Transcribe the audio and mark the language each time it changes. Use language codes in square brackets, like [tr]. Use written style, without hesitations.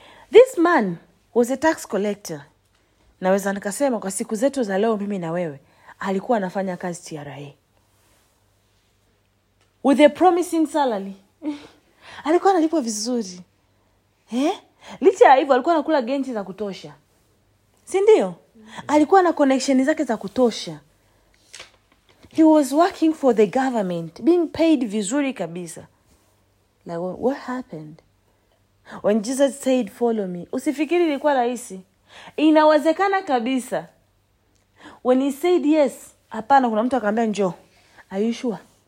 [en] This man was a tax collector. [sw] Naweza nikasema kwa siku zetu za leo mimi na wewe, alikuwa anafanya kazi TRA. [en] With a promising salary. [sw] Alikuwa analipwa vizuri. Licha ya hivyo alikuwa anakula genti za kutosha. Si ndio? Alikuwa na connection zake za kutosha. [en] He was working for the government, being paid [sw] vizuri kabisa. [en] Now, what happened? When Jesus said, follow me, [sw] usifikiri ilikuwa rahisi. Inawezekana kabisa. [en] When he said yes, [sw] hapana, kuna mtu akamwambia njoo. [en] Are you sure?